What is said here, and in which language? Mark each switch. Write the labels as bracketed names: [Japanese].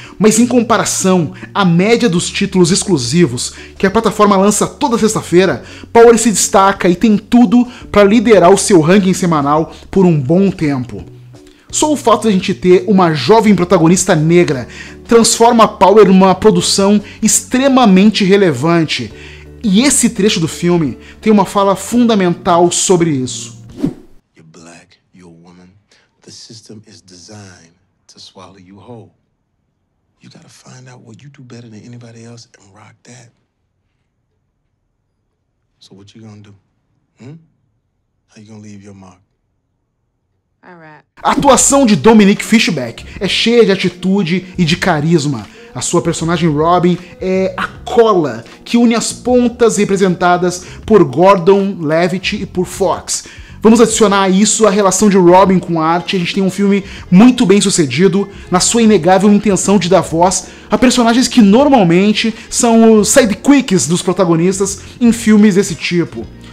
[Portuguese] Mas em comparação à média dos títulos exclusivos que a plataforma lança toda sexta-feira, Power se destaca e tem tudo para liderar o seu ranking semanal por um bom tempo. Só o fato de a gente ter uma jovem protagonista negra transforma Power numa produção extremamente relevante. E esse trecho do filme tem uma fala fundamental sobre isso. [English] You're black, you're a woman. The system is designed to swallow you whole. You gotta find out what you do better than anybody else and rock that. So what you gonna do? How you gonna leave your mark? [Portuguese] A atuação de Dominique Fishback é cheia de atitude e de carisma. A sua personagem Robin é a cola que une as pontas representadas por Gordon Levitt e por Fox. Vamos adicionar a isso a relação de Robin com a arte. A gente tem um filme muito bem sucedido na sua inegável intenção de dar voz a personagens que normalmente são os sidekicks dos protagonistas em filmes desse tipo.